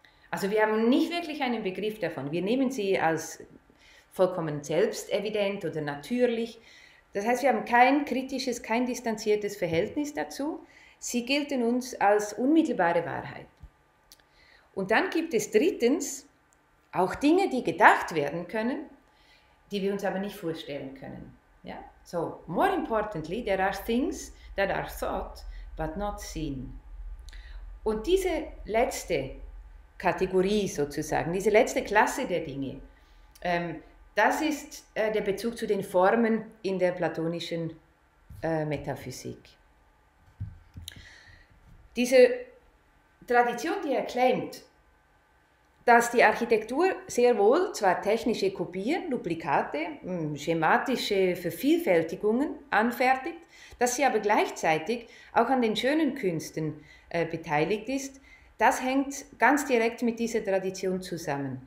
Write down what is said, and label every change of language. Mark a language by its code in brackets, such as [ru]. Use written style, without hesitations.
[de] Also wir haben nicht wirklich einen Begriff davon. Wir nehmen sie als vollkommen selbstevident oder natürlich. Das heißt, wir haben kein kritisches, kein distanziertes Verhältnis dazu. Sie gelten uns als unmittelbare Wahrheit. Und dann gibt es drittens auch Dinge, die gedacht werden können, die wir uns aber nicht vorstellen können. Ja? [en] So, more importantly, there are things that are thought but not seen. [de] Und diese letzte Kategorie sozusagen, diese letzte Klasse der Dinge, das ist der Bezug zu den Formen in der platonischen Metaphysik. Diese Tradition, die er claimt, dass die Architektur sehr wohl zwar technische Kopien, Duplikate, schematische Vervielfältigungen anfertigt, dass sie aber gleichzeitig auch an den schönen Künsten beteiligt ist, das hängt ganz direkt mit dieser Tradition zusammen.